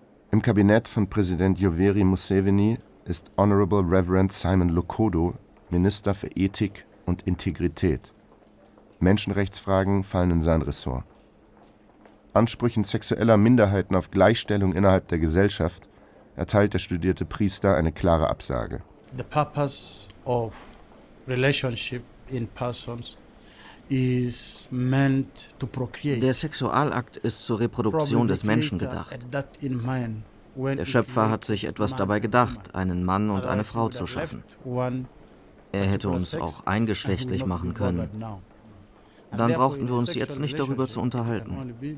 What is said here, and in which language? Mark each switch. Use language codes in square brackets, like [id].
[de] Im Kabinett von Präsident Yoweri Museveni ist Honorable Reverend Simon Lokodo Minister für Ethik und Integrität. Menschenrechtsfragen fallen in sein Ressort. Ansprüchen sexueller Minderheiten auf Gleichstellung innerhalb der Gesellschaft erteilt der studierte Priester eine klare Absage. [en] The purpose of relationship in persons is meant to procreate. [de] Der Sexualakt ist zur Reproduktion des Menschen gedacht. Der Schöpfer hat sich etwas dabei gedacht, einen Mann und eine Frau zu schaffen. Er hätte uns auch eingeschlechtlich machen können. Dann brauchten wir uns jetzt nicht darüber zu unterhalten.